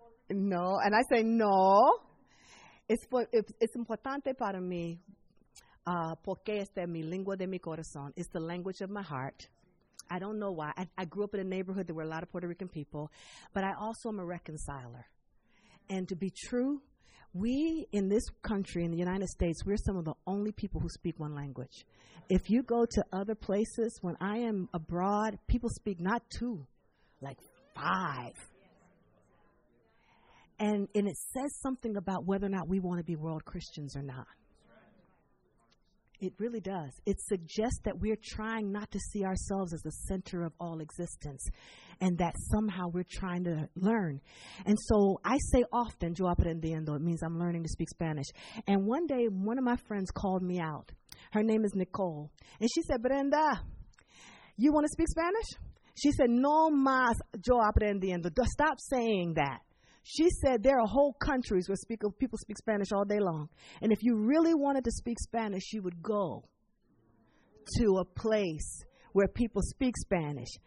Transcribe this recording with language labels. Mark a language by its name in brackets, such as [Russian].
[English] No, and I say no. It's [Spanish] importante para mí, porque esta es mi lengua de mi corazón. [English] It's the language of my heart. I don't know why. I grew up in a neighborhood that were a lot of Puerto Rican people, but I also am a reconciler. And to be true, We, in this country, in the United States, we're some of the only people who speak one language. If you go to other places, when I am abroad, people speak not two, like five. And it says something about whether or not we want to be world Christians or not. It really does. It suggests that we're trying not to see ourselves as the center of all existence and that somehow we're trying to learn. And so I say often, [Spanish] yo aprendiendo, [English] it means I'm learning to speak Spanish. And one day, one of my friends called me out. Her name is Nicole. And she said, Brenda, you want to speak Spanish? She said, [Spanish] no más yo aprendiendo. [English] Stop saying that. She said there are whole countries where people speak Spanish all day long. And if you really wanted to speak Spanish, you would go to a place where people speak Spanish.